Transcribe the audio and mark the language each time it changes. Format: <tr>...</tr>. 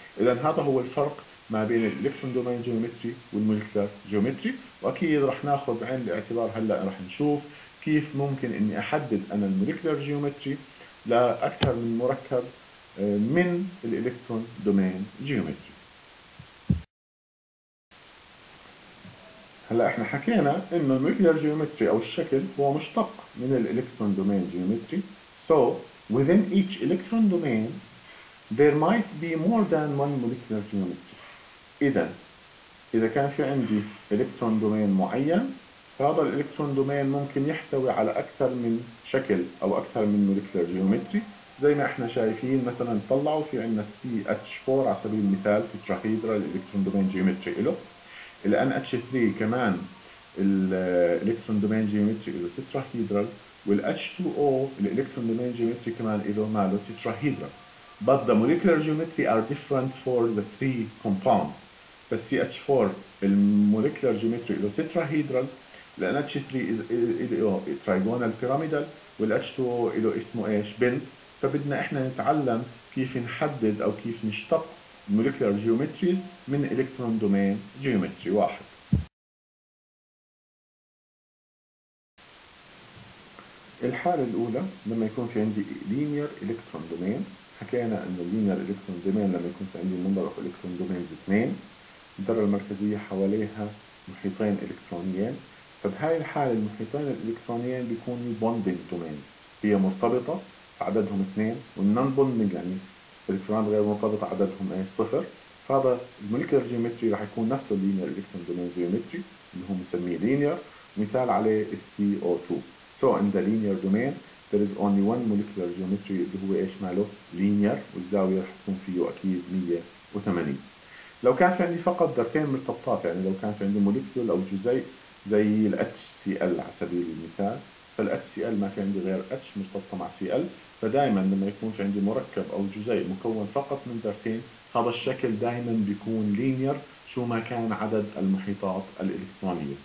<ar>اذا هذا هو الفرق ما بين الالكترون دومين جيومتري والمولكيولار جيومتري، واكيد راح ناخذ بعين الاعتبار هلا راح نشوف كيف ممكن اني احدد انا المولكيولار جيومتري لاكثر من مركب من الالكترون دومين جيومتري. هلا احنا حكينا انه المولكيولار جيومتري او الشكل هو مشتق من الالكترون دومين جيومتري.</ar> <en>So within each electron domain there might be more than one molecular geometry.</en> <ar>إذا كان في عندي electron domain معين، فهذا الالكترون دومين ممكن يحتوي على أكثر من شكل أو أكثر من molecular geometry. زي ما احنا شايفين مثلا طلعوا في عندنا CH4 على سبيل المثال في تراهيدرا الالكترون دومين جيومتري له. ال NH3 كمان الالكترون دومين جيومتري له تتراهيدرا، وال H2O الالكترون دومين جيومتري كمان له ماله تتراهيدرا.</ar> <en>But the molecular geometry are different for the three compounds.</en> <ar>بس CH4 المولكيولار جيومتري له تتراهيدرا، ال NH3 له تريجونال بيراميدال، وال H2O له اسمه ايش؟ بنت. فبدنا احنا نتعلم كيف نحدد او كيف نشتق مولكيولار جيومتري من الكترون دومين جيومتري واحد. الحالة الأولى لما يكون في عندي لينير الكترون دومين، حكينا إنه لينير الكترون دومين لما يكون في عندي منطلق الكترون دومين اثنين، الذرة المركزية حواليها محيطين الكترونيين، فبهاي الحالة المحيطين الالكترونيين بيكونوا بوندينج دومين، هي مرتبطة عددهم اثنين، والنون بوندينج يعني الالكترونات غير مرتبطة عددهم ايه صفر. فهذا المولكيولار جيومتري راح يكون نفس اللينير الكترون دومين جيومتري اللي هو مسميه لينير، مثال عليه CO2.</ar> <en>So in the linear domain there is only one molecular geometry</en> <ar>اللي هو ايش ماله؟</ar> <en>linear،</en> <ar>والزاوية راح تكون فيه اكيد 180. لو كان في عندي فقط ذرتين مرتبطات، يعني لو كان في عندي مولكيول او جزيء زي ال HCl على سبيل المثال، فال HCl ما في عندي غير H مرتبطة مع Cl، فدائما لما يكون في عندي مركب او جزيء مكون فقط من ذرتين هذا الشكل دائما بيكون linear شو ما كان عدد المحيطات الالكترونية.</ar>